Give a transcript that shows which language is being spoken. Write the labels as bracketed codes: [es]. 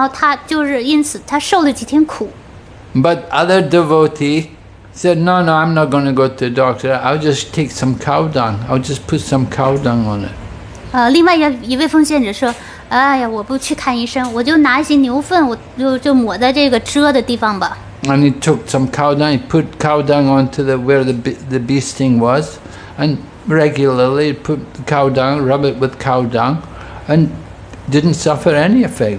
[zh] 这个奉献者呢，就开着车去了城里，去找见了一位大夫，让大夫给他打了一针，开了一些药，回来呢，他就在那里就服了药，然后他就是因此他受了几天苦。 [en] But other devotee said, no, I'm not going to go to the doctor. I'll just take some cow dung. I'll just put some cow dung on it. [zh] 另外一位奉献者说，哎呀，我不去看医生，我就拿一些牛粪，我就抹在这个蛰的地方吧。 [en] And he took some cow dung, he put cow dung onto where the bee sting was, and regularly put cow dung, rub it with cow dung, and didn't suffer any effect.